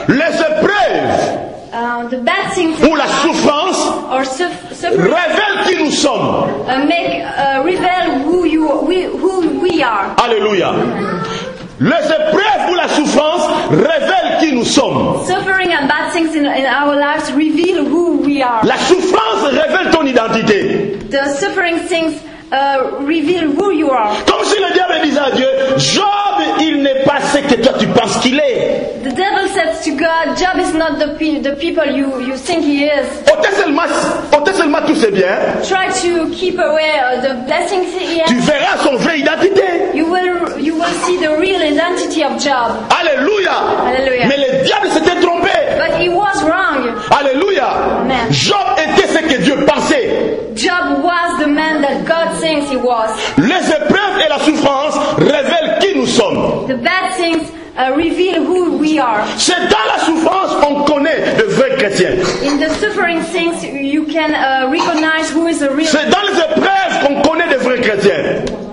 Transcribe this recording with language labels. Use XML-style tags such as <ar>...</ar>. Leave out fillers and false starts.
<fr>les épreuves</fr> <en>the bad things</en> <fr>ou la souffrance révèlent qui nous sommes. Révèlent</fr> <en>who we are. Alléluia.</en> <fr>Les épreuves ou la souffrance révèlent qui nous sommes.</fr> <en>Suffering and bad things in our lives reveal who we are.</en> <fr>La souffrance révèle ton identité.</fr> <en>The suffering things reveal who you are.</en> <fr>Comme si le diable disait à Dieu, Job, il n'est pas ce que toi tu penses qu'il est.</fr> <en>The devil says to God, Job is not the people you think he is.</en> <fr>Ôte seulement tout ce bien.</fr> <en>Try to keep away the blessings he has.</en> <fr>Tu verras son vraie identité.</fr> <en>You will see the real identity of Job. Alléluia. Alléluia.</en> <fr>Mais le diable s'était trompé.</fr> <en>But he was wrong. Alléluia. Amen.</en> <fr>Job était ce que Dieu pensait.</fr> <en>Job was the man that God thinks he was.</en> <fr>Les épreuves et la souffrance révèlent qui nous sommes.</fr> <en>The bad things reveal who we are.</en> <fr>C'est dans la souffrance on connaît le vrai chrétien.</fr> <en>In the suffering things you can recognize who is a real.</en> <fr>C'est dans les épreuves qu'on connaît le vrai chrétien.</fr>